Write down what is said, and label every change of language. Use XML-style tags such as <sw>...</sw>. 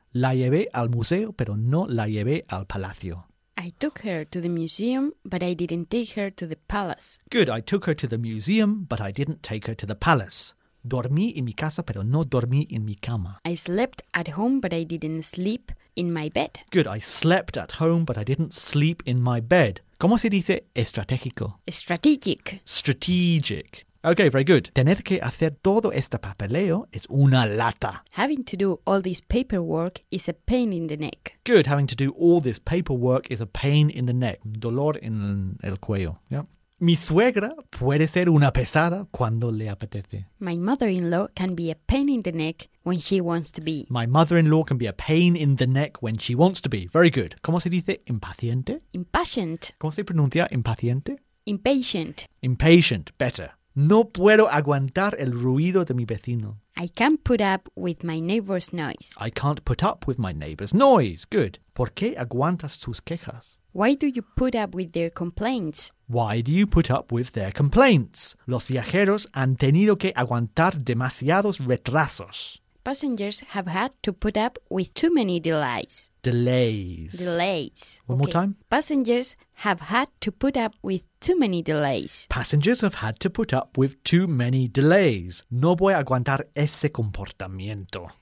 <es>La llevé al museo, pero no la llevé al palacio.</es> <en>I took her to the museum, but I didn't take her to the palace. Good. I took her to the museum, but I didn't take her to the palace.</en> <es>Dormí en mi casa, pero no dormí en mi cama.</es> <en>I slept at home, but I didn't sleep in my bed. Good. I slept at home, but I didn't sleep in my bed.</en> <es>¿Cómo se dice estratégico?</es> <en>Strategic. Strategic. Okay, very good.</en> <es>Tener que hacer todo este papeleo es una lata.</es> <en>Having to do all this paperwork is a pain in the neck. Good. Having to do all this paperwork is a pain in the neck.</en> <es>Dolor en el cuello. Yeah. Mi suegra puede ser una pesada cuando le apetece.</es> <en>My mother-in-law can be a pain in the neck when she wants to be. My mother-in-law can be a pain in the neck when she wants to be. Very good.</en> <es>¿Cómo se dice impaciente?</es> <en>Impatient.</en> <es>¿Cómo se pronuncia impaciente?</es> <en>Impatient. Impatient. Better.</en> <es>No puedo aguantar el ruido de mi vecino.</es> <en>I can't put up with my neighbor's noise. I can't put up with my neighbor's noise.</en> <es>Good. ¿Por qué aguantas sus quejas?</es> <en>Why do you put up with their complaints? Why do you put up with their complaints?</en> <es>Los viajeros han tenido que aguantar demasiados retrasos.</es> <en>Passengers have had to put up with too many delays. Delays. Delays. One more time. Passengers have had to put up with too many delays. Passengers have had to put up with too many delays.</en> <es>No voy a aguantar ese comportamiento.</es>